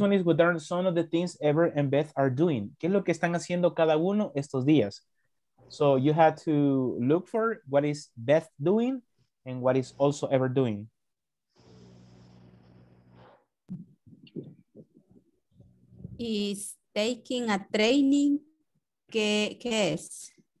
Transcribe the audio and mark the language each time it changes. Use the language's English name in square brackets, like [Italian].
[English] one is, what are some of the things Ever and Beth are doing? [Spanish] ¿Qué es lo que están haciendo cada uno estos días? [English] So you had to look for what is Beth doing and what is also Ever doing. Is taking a training. [Spanish] ¿Qué es?